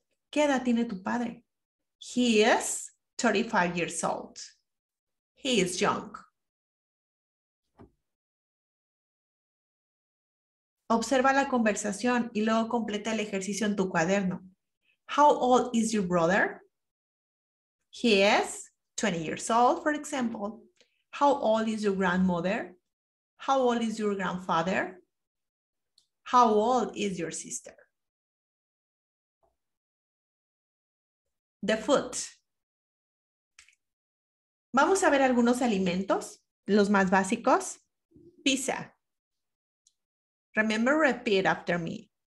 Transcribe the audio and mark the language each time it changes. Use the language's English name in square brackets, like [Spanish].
[Spanish] ¿Qué edad tiene tu padre? [English] He is 35 years old. He is young. [Spanish] Observa la conversación y luego completa el ejercicio en tu cuaderno. [English] How old is your brother? He is 20 years old, for example. How old is your grandmother? How old is your grandfather? How old is your sister? The food. [Spanish] Vamos a ver algunos alimentos, los más básicos. [English] Pizza. Remember, repeat after me.